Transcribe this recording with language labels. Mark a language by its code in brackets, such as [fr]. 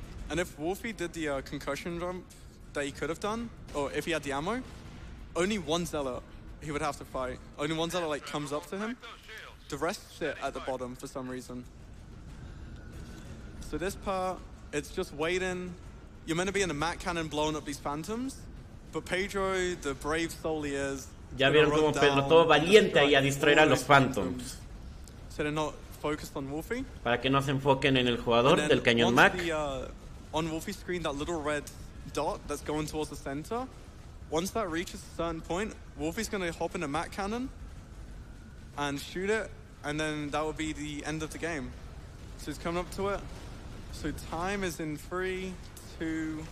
[en] And if Wolfie did the concussion jump that he could have done, or if he had the ammo, only one Zealot he would have to fight. Only one Zealot, like, comes up to him. The rest sit at the bottom for some reason. So this part, it's just waiting. You're meant to be in the Mat Cannon blowing up these Phantoms, but Pedro, the brave soul he is, [es] ya vieron como Pedro todo valiente ahí a distraer a los Phantoms. [en] So they're not focused on Wolfie. [es] Para que no se enfoquen en el jugador del cañón Mac. [en] On Wolfie's screen, that little red dot that's going towards the center, once that reaches a certain point, Wolfie's going to hop in a Mat Cannon and shoot it, and then that will be the end of the game. So he's coming up to it. So time is in 3, 2, 1.